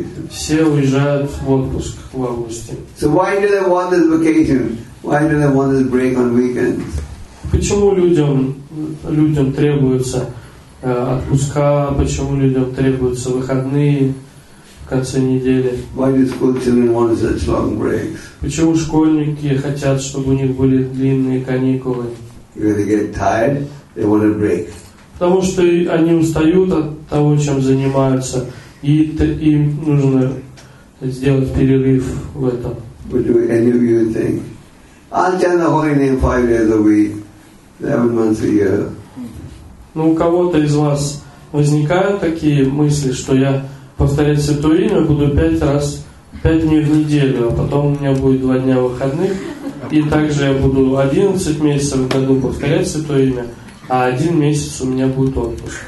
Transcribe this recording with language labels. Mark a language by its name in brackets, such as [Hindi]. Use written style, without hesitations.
[Russian] Все уезжают в отпуск в августе. [English] So why do they want this vacation? Why do they want a break on weekends? [Russian] Почему людям требуется отпуска? Почему людям требуются выходные в конце недели? [English] Why do school children want such long breaks? [Russian] Почему школьники хотят, чтобы у них были длинные каникулы? [English] Because they get tired, they want a break. [Russian] Потому что они устают от того, чем занимаются, и им нужно сделать перерыв в этом. [English] What do any of you think? I'll chant the holy name 5 days a week, 7 months a year. [Russian] Ну, у кого-то из вас возникают такие мысли, что я повторять святое имя буду 5 дней в неделю, а потом у меня будет 2 дня выходных, и также я буду 11 месяцев в году повторять святое имя, а 1 месяц у меня будет отпуск.